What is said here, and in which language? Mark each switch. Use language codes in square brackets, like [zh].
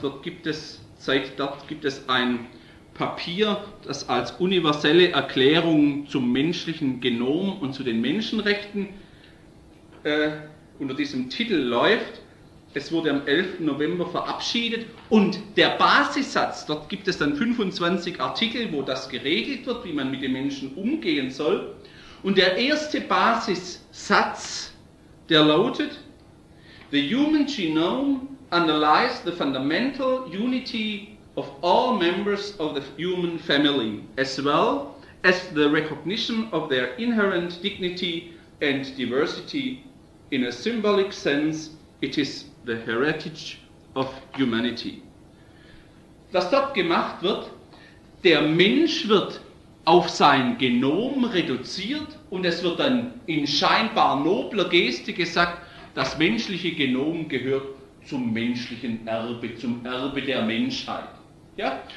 [de] Dort gibt es ein Papier, das als universelle Erklärung zum menschlichen Genom und zu den Menschenrechten unter diesem Titel läuft. Es wurde am 11. November verabschiedet und der Basissatz, dort gibt es dann 25 Artikel, wo das geregelt wird, wie man mit den Menschen umgehen soll. Und der erste Basissatz, der lautet: [en] The human genome underlies the fundamental unity of all members of the human family, as well as the recognition of their inherent dignity and diversity. In a symbolic sense, it is the heritage of humanity. [de] Was dort gemacht wird, der Mensch wird auf sein Genom reduziert und es wird dann in scheinbar nobler Geste gesagt, das menschliche Genom gehört zum menschlichen Erbe, zum Erbe der Menschheit. Ja?